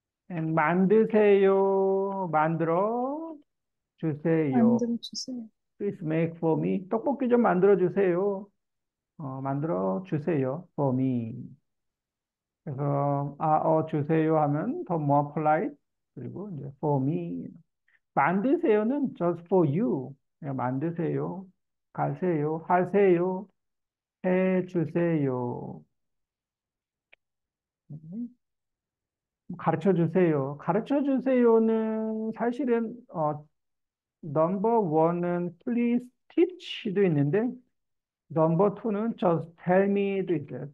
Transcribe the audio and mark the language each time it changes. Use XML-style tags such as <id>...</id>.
<ko>And 만드세요. 만들어 주세요. 만들어 주세요.</ko> <en>Please make for me.</en> <ko>떡볶이 좀 만들어 주세요. 만들어 주세요</ko> <en>for me.</en> <ko>그래서 주세요 하면 더</ko> <en>more polite.</en> <ko>그리고 이제 for me 만드세요는</ko> <en>just for you.</en> <ko>그냥 만드세요, 가세요, 하세요, 해 주세요, 가르쳐 주세요. 가르쳐 주세요는 사실은 number one은</ko> <en>please teach</en> <ko>도 있는데 number two는</ko> <en>just tell me</en> <ko>도 있어요.</ko>